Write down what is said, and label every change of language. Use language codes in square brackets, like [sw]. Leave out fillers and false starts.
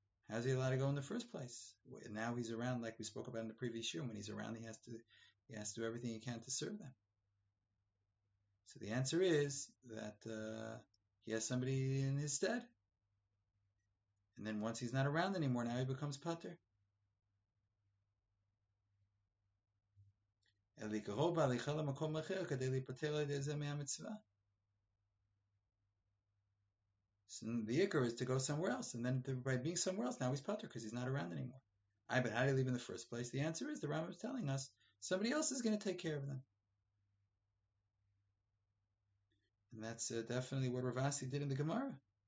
[en] How's he allowed to go in the first place? And now he's around, like we spoke about in the previous year, when he's around, he has to do everything he can to serve them. So the answer is that he has somebody in his stead. And then once he's not around anymore, now he becomes pater. [he] לגרור בהליכה למקום אחר כדי להיפטר על ידי זה מהמצווה. [en] So the Iker is to go somewhere else, and then by being somewhere else, now he's Potter because he's not around anymore. But how did he leave in the first place? The answer is the Rambam is telling us somebody else is going to take care of them. And that's definitely what Rav Asi did in the Gemara.